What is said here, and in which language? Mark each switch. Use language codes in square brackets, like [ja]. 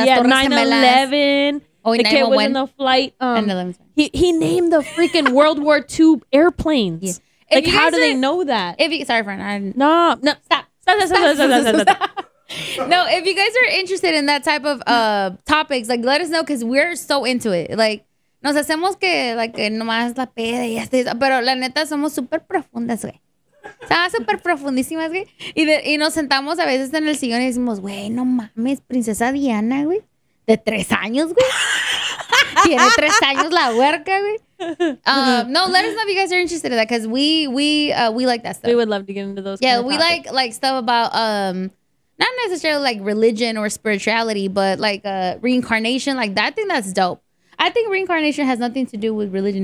[en] yeah, 9/11. Oh, the kid was in the flight. He named the freaking World War II airplanes. Yeah. Like, how do they know that? Stop. No, if you guys are interested in that type of topics, like, let us know, because we're so into it. [es] Like, nos hacemos que, like, nomás la peda y así. Pero la neta, somos súper profundas, güey. Estaba súper profundísimas, güey. Y nos sentamos a veces en el sillón y decimos, güey, no mames, Princesa Diana, güey. De 3 años, güey. Tiene 3 años la huerca, güey. [en] No, let us know if you guys are interested in that, because we like that stuff. We would love to get into those. Yeah, we like stuff about not necessarily like religion or spirituality, but like reincarnation. Like, that thing, that's dope. I think reincarnation has nothing to do with religion.